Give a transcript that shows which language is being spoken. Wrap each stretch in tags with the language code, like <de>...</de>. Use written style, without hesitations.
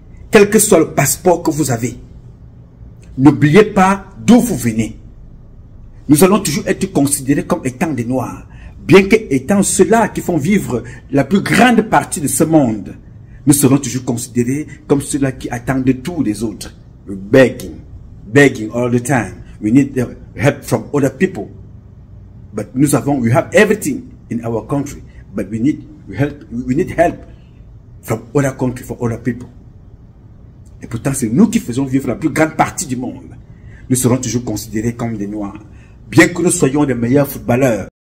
<fr>Quel que soit le passeport que vous avez, n'oubliez pas d'où vous venez. Nous allons toujours être considérés comme étant des noirs. Bien qu'étant ceux-là qui font vivre la plus grande partie de ce monde, nous serons toujours considérés comme ceux-là qui attendent de tous les autres.</fr> <en>We're begging, begging all the time. We need the help from other people. But</en> <fr>nous avons,</fr> <en>we have everything in our country. But we need help from other countries, for other people.</en> <fr>Et pourtant, c'est nous qui faisons vivre la plus grande partie du monde. Nous serons toujours considérés comme des noirs. Bien que nous soyons des meilleurs footballeurs.</fr>